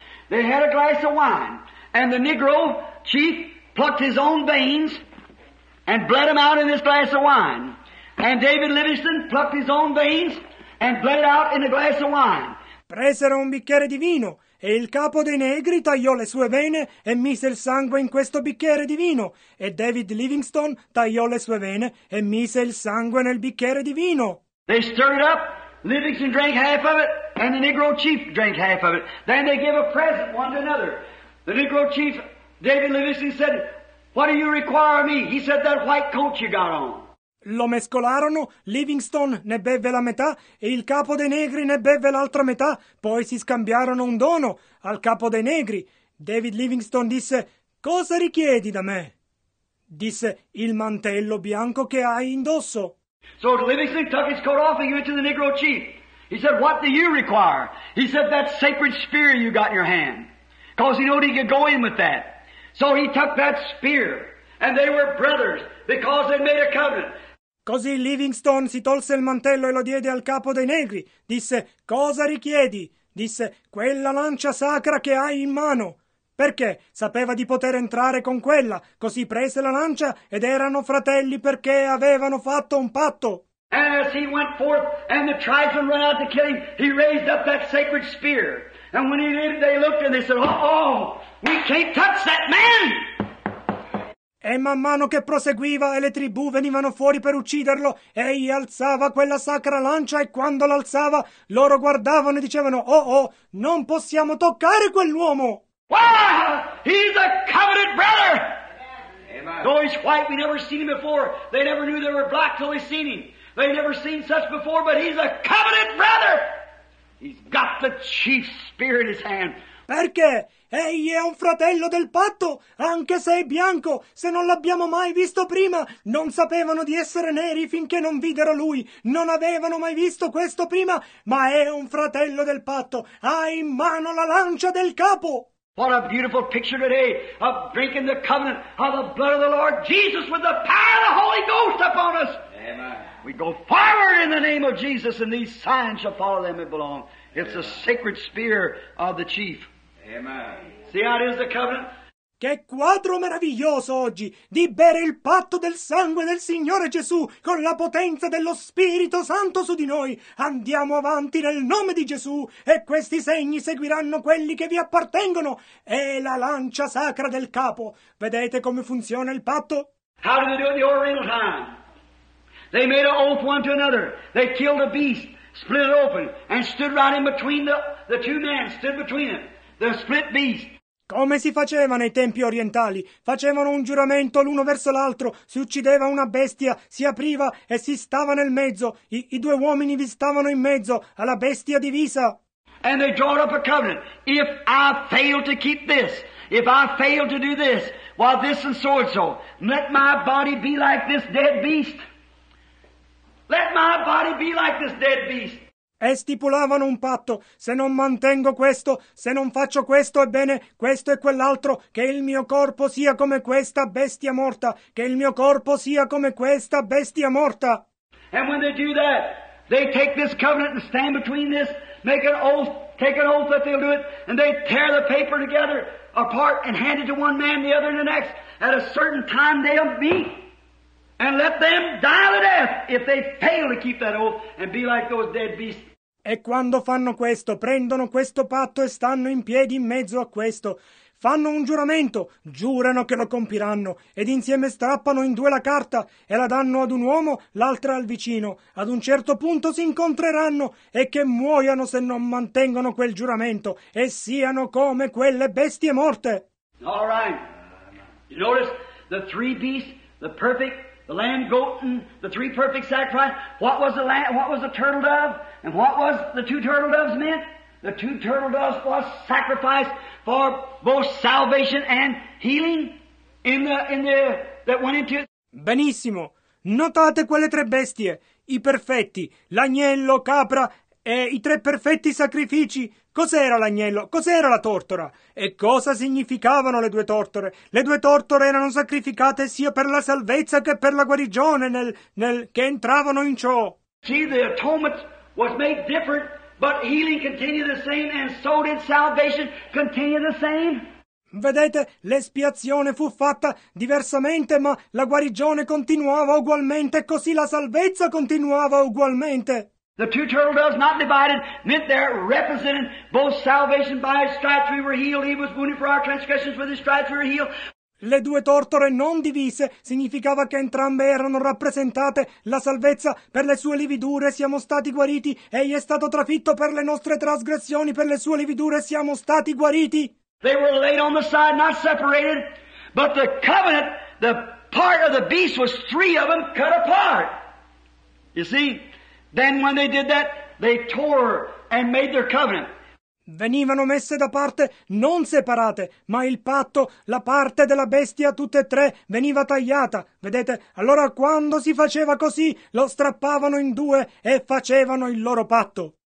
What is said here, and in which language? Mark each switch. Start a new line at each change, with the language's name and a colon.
English: They had a glass of wine, and the Negro chief plucked his own veins and bled them out in this glass of wine. And David Livingston plucked his own veins and bled out in a glass of wine.
Italian: Presero un bicchiere di vino, e il capo dei negri tagliò le sue vene e mise il sangue in questo bicchiere di vino. E David Livingston tagliò le sue vene e mise il sangue nel bicchiere di vino.
English: They stirred it up, Livingston drank half of it, and the Negro chief drank half of it. Then they gave a present one to another. The Negro chief, David Livingston, said, what do you require of me? He said, that white coat you got on.
Italian: Lo mescolarono, Livingstone ne beve la metà e il capo dei negri ne beve l'altra metà. Poi si scambiarono un dono al capo dei negri. David Livingstone disse: «Cosa richiedi da me?» disse: «Il mantello bianco che hai indosso».
English: So Livingstone took his coat off and gave it to the Negro chief. He said, what do you require? He said, that sacred spear you got in your hand. Because he knew he could go in with that. So he took that spear, and they were brothers, because they made a covenant.
Italian: Così Livingstone si tolse il mantello e lo diede al capo dei negri. Disse, cosa richiedi? Disse, quella lancia sacra che hai in mano. Perché? Sapeva di poter entrare con quella. Così prese la lancia ed erano fratelli perché avevano fatto un patto.
English: And as he went forth and the tribesmen ran out to kill him, he raised up that sacred spear. And when he did, they looked and they said, oh, we can't touch that man!
Italian: E man mano che proseguiva e le tribù venivano fuori per ucciderlo, egli alzava quella sacra lancia e quando l'alzava, loro guardavano e dicevano, oh, oh, non possiamo toccare quell'uomo!
English: Wow! He's a covenant brother! Amen. Though he's white, we never seen him before. They never knew they were black till they seen him. They never seen such before, but he's a covenant brother! He's got the chief's spear in his hand.
Italian: Perché? Egli è un fratello del patto, anche se è bianco. Se non l'abbiamo mai visto prima, non sapevano di essere neri finché non videro lui. Non avevano mai visto questo prima, ma è un fratello del patto. Ha in mano la lancia del capo.
English: What a beautiful picture today of drinking the covenant of the blood of the Lord Jesus with the power of the Holy Ghost upon us. Amen. We go forward in the name of Jesus and these signs shall follow them that belong. It's the sacred spear of the chief. Amen. See how it is the covenant?
Italian: Che quadro meraviglioso oggi di bere il patto del sangue del Signore Gesù con la potenza dello Spirito Santo su di noi. Andiamo avanti nel nome di Gesù e questi segni seguiranno quelli che vi appartengono. È la lancia sacra del capo. Vedete come funziona il patto?
English: How did they do it in the Oriental time? They made an oath one to another. They killed a beast, split it open, and stood right in between the two men, stood between them, the split beast.
Italian: Come si faceva nei tempi orientali? Facevano un giuramento l'uno verso l'altro, si uccideva una bestia, si apriva e si stava nel mezzo. I due uomini vi stavano in mezzo, alla bestia divisa.
English: And they drew up a covenant. If I fail to keep this, if I fail to do this, while this and so, let my body be like this dead beast. Let my body be like this dead beast.
Italian: E stipulavano un patto, se non mantengo questo, se non faccio questo, ebbene, questo e quell'altro, che il mio corpo sia come questa bestia morta, che il mio corpo sia come questa bestia morta.
English: And when they do that, they take this covenant and stand between this, take an oath that they'll do it, and they tear the paper together apart and hand it to one man, the other, and the next. At a certain time they'll meet. And let them die to death if they fail to keep that oath and be like those dead beasts.
Italian: E quando fanno questo, prendono questo patto e stanno in piedi in mezzo a questo. Fanno un giuramento, giurano che lo compiranno, ed insieme strappano in due la carta e la danno ad un uomo, l'altra al vicino. Ad un certo punto si incontreranno e che muoiano se non mantengono quel giuramento e siano come quelle bestie morte.
English: All right. You notice the three beasts, the perfect. The lamb, goat, and the three perfect sacrifices. What was the lamb? What was the turtle dove? And what was the two turtle doves meant? The two turtle doves was sacrificed for both salvation and healing in the that went into it.
Italian: Benissimo. Notate quelle tre bestie, i perfetti, l'agnello, capra e i tre perfetti sacrifici. Cos'era l'agnello? Cos'era la tortora? E cosa significavano le due tortore? Le due tortore erano sacrificate sia per la salvezza che per la guarigione nel che entravano in ciò.
English: See, the atonement was made different, but healing continued the same, and so did salvation continue the same.
Italian: Vedete, l'espiazione fu fatta diversamente, ma la guarigione continuava ugualmente, così la salvezza continuava ugualmente.
English: The two turtle doves not divided meant they're representing both salvation by his stripes we were healed. He was wounded for our transgressions, with his stripes we were healed.
Italian: Le due tortore non divise significava che entrambe erano rappresentate la salvezza per le sue lividure siamo stati guariti. Egli è stato trafitto per le nostre trasgressioni, per le sue lividure siamo stati guariti.
English: They were laid on the side, not separated, but the covenant, the part of the beast was three of them cut apart. You see? Then when they did that, they tore and made their covenant.
Italian: venivano messe da parte, non separate, ma il patto, la parte della bestia, tutte e tre, veniva tagliata. Vedete? Allora quando si faceva così, lo strappavano in due e facevano il loro patto.